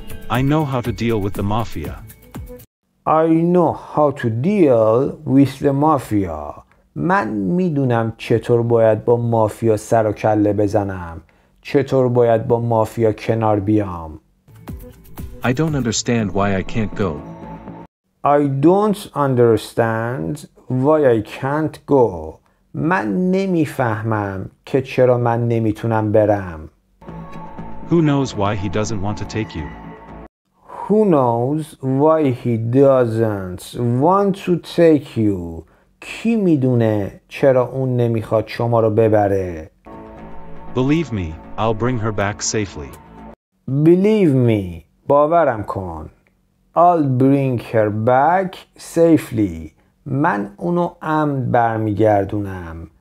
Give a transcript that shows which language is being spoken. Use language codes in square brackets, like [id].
[en] I know how to deal with the mafia I know how to deal with the mafia [fa] من میدونم چطور باید با مافیا سر و کله بزنم چطور باید با مافیا کنار بیام [en] I don't understand why I can't go. I don't understand why I can't go. [fa] من نمیفهمم که چرا من نمیتونم برم. [en] Who knows why he doesn't want to take you? Who knows why he doesn't want to take you? [fa] کی میدونه چرا اون نمیخواد شما رو ببره؟ [en] Believe me, I'll bring her back safely. Believe me. [fa] باورم کن. [en] I'll bring her back safely. [fa] من اونو امن برمیگردونم.